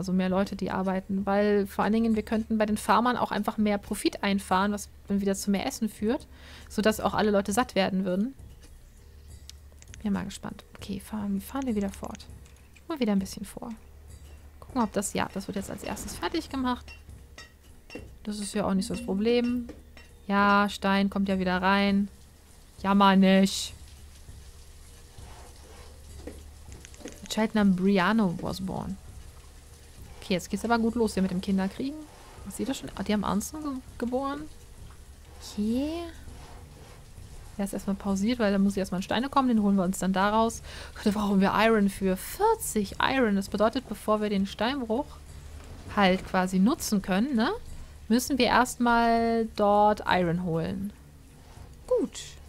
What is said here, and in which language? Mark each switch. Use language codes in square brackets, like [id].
[de] Also mehr Leute, die arbeiten. Weil vor allen Dingen, wir könnten bei den Farmern auch einfach mehr Profit einfahren, was dann wieder zu mehr Essen führt, sodass auch alle Leute satt werden würden. Ja, mal gespannt. Okay, fahren wir wieder fort. Mal wieder ein bisschen vor. Gucken, ob das... Ja, das wird jetzt als erstes fertig gemacht. Das ist ja auch nicht so das Problem. Ja, Stein kommt ja wieder rein. Jammer nicht. [en] Child [de] namens [en] Briano was born. [de] Okay, jetzt geht's aber gut los hier mit dem Kinderkriegen. Was sieht das schon? Die haben Anson geboren. Okay. Er ist erstmal pausiert, weil da muss ich erstmal in Steine kommen. Den holen wir uns dann daraus. Da brauchen wir Iron für 40 Iron. Das bedeutet, bevor wir den Steinbruch halt quasi nutzen können, ne, müssen wir erstmal dort Iron holen. Gut.